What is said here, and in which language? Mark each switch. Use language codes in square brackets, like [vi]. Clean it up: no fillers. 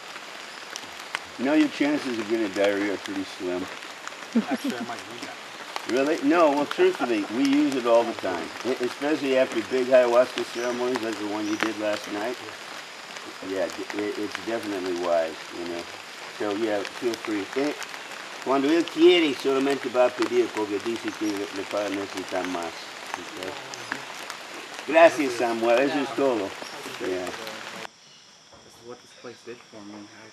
[en] Mm-hmm. Now your chances of getting diarrhea are pretty slim. Actually, I might need that. Really? No, well, truthfully, we use it all the time. Especially after big ayahuasca ceremonies like the one you did last night. Yeah, it's definitely wise, you know. So, yeah, feel free. [es] Cuando él quiere, solamente va a pedir porque dice que le va a necesitar más. Okay? Gracias, Samuel. Eso es todo. [en] Yeah. This is what this place did for me.